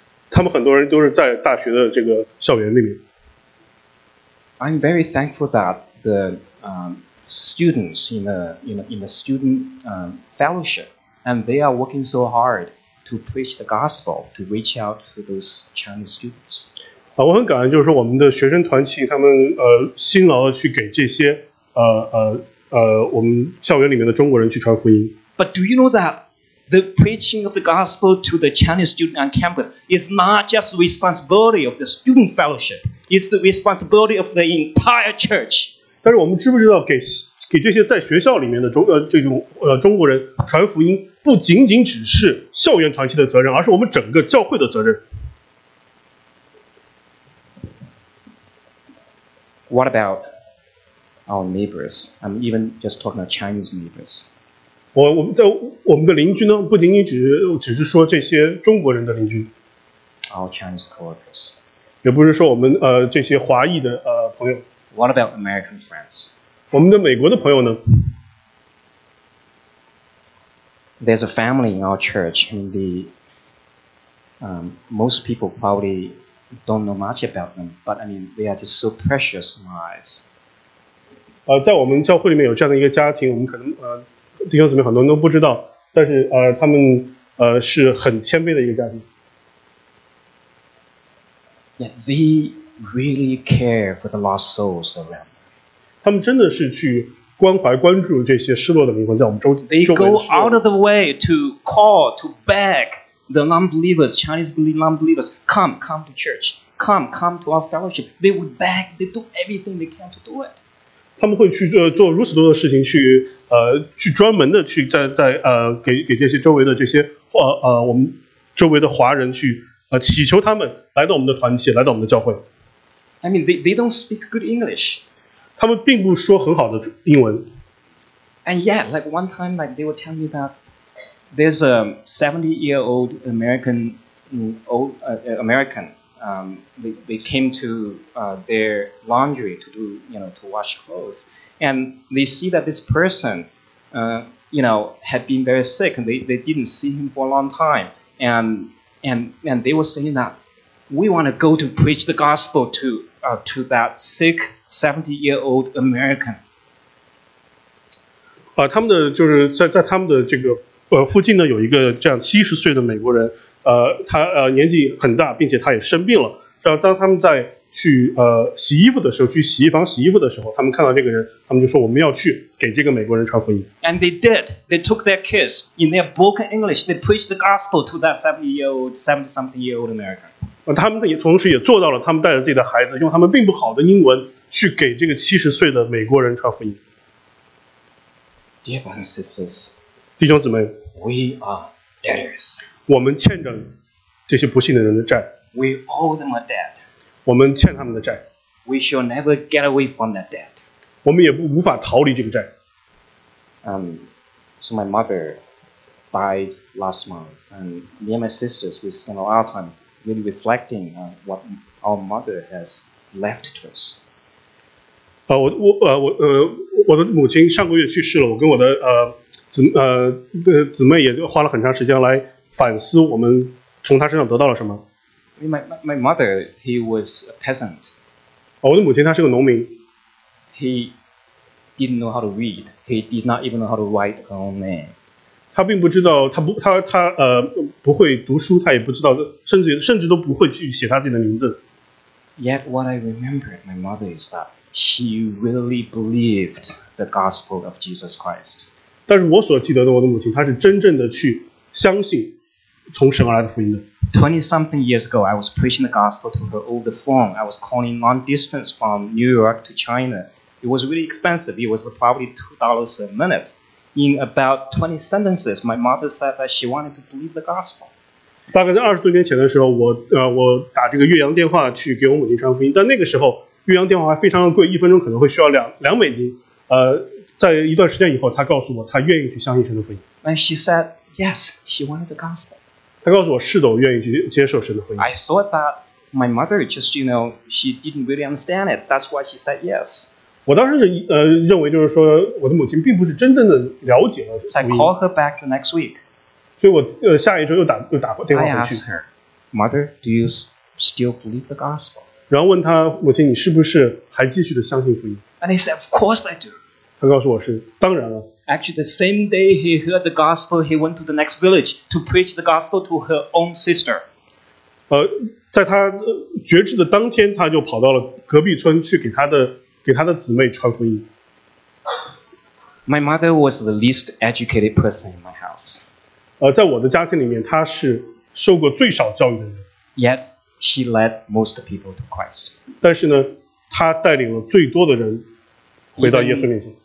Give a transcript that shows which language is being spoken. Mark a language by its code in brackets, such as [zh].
[zh] 他们很多人都是在大学的这个校园里面。 [en] I'm very thankful that the students in the student fellowship and they are working so hard to preach the gospel to reach out to those Chinese students. [zh] 我很感恩，就是说我们的学生团契，他们辛劳的去给这些。我们校园里面的中国人去传福音。 [en] But do you know that the preaching of the gospel to the Chinese student on campus is not just the responsibility of the student fellowship, it's the responsibility of the entire church. [zh] 但是我们知不知道给这些在学校里面的中国人传福音，不仅仅只是校园团契的责任，而是我们整个教会的责任。 [en] What about? Our neighbors. I'm even just talking about Chinese neighbors. [zh] 我们的邻居呢，不仅仅只是说这些中国人的邻居。 [en] Our Chinese coworkers. [zh] 也不是说我们这些华裔的朋友。 [en] What about American friends? [zh] 我们的美国的朋友呢 [en] ？There's a family in our church, and they most people probably don't know much about them, but I mean, they are just so precious in our eyes. [zh] 在我们教会里面有这样的一个家庭，我们可能弟兄姊妹很多人都不知道，但是他们是很谦卑的一个家庭。 [en] Yeah, they really care for the lost souls around. [zh] 他们真的是去关怀、关注这些失落的灵魂，在我们周围。 [en] They go out of the way to call, to beg the non-believers, Chinese-believing non-believers, come to church, come to our fellowship. They would beg, they do everything they can to do it. [zh] 他们会去做如此多的事情去专门的去在给这些周围的这些我们周围的华人去祈求他们来到我们的团契来到我们的教会。 [en] I mean, they don't speak good English. [zh] 他们并不说很好的英文。 [en] And yet, like one time, like they were telling me that there's a 70-year-old American,they came to their laundry to do, you know, to wash clothes, and they see that this person, you know, had been very sick, and they didn't see him for a long time, and they were saying that we want to go to preach the gospel to that sick 70-year-old American. [zh] 他们的就是在他们的这个附近呢，有一个这样70岁的美国人。他年纪很大，并且他也生病了。当他们在去洗衣服的时候，去洗衣房洗衣服的时候，他们看到这个人，他们就说我们要去给这个美国人传福音。 [en] And they did. They took their kids in their broken English. They preached the gospel to that 70-something-year-old American. [zh] 他们也同时也做到了，他们带着自己的孩子，用他们并不好的英文去给这个70岁的美国人传福音。 [en] Dear brothers and sisters, [zh] 弟兄姊妹 [en] we are debtors. [zh] 我们欠着这些不幸的人的债。 [en] We owe them a debt. [zh] 我们欠他们的债。 [en] We shall never get away from that debt. [zh] 我们也无法逃离这个债。 [en] So my mother died last month, and me and my sisters, we spent a lot of time really reflecting on what our mother has left to us. [zh] 我的母亲上个月去世了，我跟我的姊妹也花了很长时间来反思我们从他身上得到了什么。 [en] My mother, he was a peasant. [zh] 我的母亲她是个农民。 [en] He didn't know how to read. He did not even know how to write her own name. [zh] 他并不知道，他不会读书，他也不知道，甚至都不会去写他自己的名字。 [en] Yet what I remember my mother is that she really believed the gospel of Jesus Christ. [zh] 但是我所记得的我的母亲，她是真正的去相信从神而来的福音的。 [en] 20-something years ago, I was preaching the gospel to her over the phone. I was calling long distance from New York to China. It was really expensive. It was probably $2 a minute. In about 20 sentences, my mother said that she wanted to believe the gospel. [zh] 大概在20多年前的时候，我打这个越洋电话去给我母亲传福音。但那个时候，越洋电话还非常的贵，一分钟可能会需要2美金。在一段时间以后，她告诉我，她愿意去相信神的福音。 [en] And she said. Yes, she wanted the gospel. [zh] 她告诉我，是的，我愿意去接受神的福音。 [en] I thought that my mother just, you know, she didn't really understand it. That's why she said yes. [zh] 我当时认为就是说，我的母亲并不是真正的了解了福音。 [en] So I called her back the next week. [zh] 所以我下一周又打电话回去。 [en] I asked her, Mother, do you still believe the gospel? [zh] 然后问她，母亲，你是不是还继续的相信福音？ [en] And he said, Of course I do. [zh] 他告诉我是当然了。 [en] Actually, the same day he heard the gospel, he went to the next village to preach the gospel to her own sister. [zh] 在他觉知的当天，他就跑到了隔壁村去给他的姊妹传福音。 [en] My mother was the least educated person in my house. [zh] 在我的家庭里面，她是受过最少教育的人。 [en] Yet she led most people to Christ. [zh] 但是呢，她带领了最多的人回到耶稣面前。